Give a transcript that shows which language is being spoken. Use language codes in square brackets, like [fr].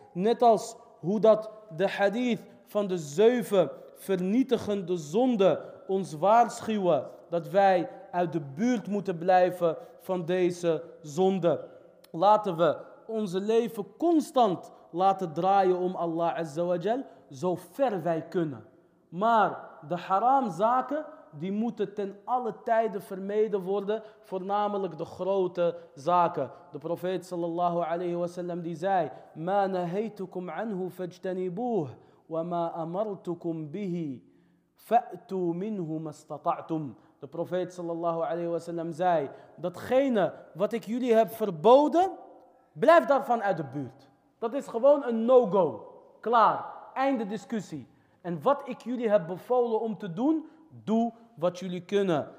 [nl] Net als hoe dat de hadith van de 7 vernietigende zonden ons waarschuwen dat wij uit de buurt moeten blijven van deze zonde. Laten we onze leven constant laten draaien om Allah azza wa jal, zo ver wij kunnen. Maar de haram zaken die moeten ten alle tijde vermeden worden, voornamelijk de grote zaken. De profeet sallallahu alayhi wa sallam die zei: [ar] ما نهيتكم عنه فاجتنبوه وما أمرتكم به فأتوا منه ما استطعتم. [nl] De profeet sallallahu alayhi wa sallam zei: datgene wat ik jullie heb verboden, blijf daarvan uit de buurt. Dat is gewoon een no-go. Klaar. Einde discussie. En wat ik jullie heb bevolen om te doen, doe wat jullie kunnen.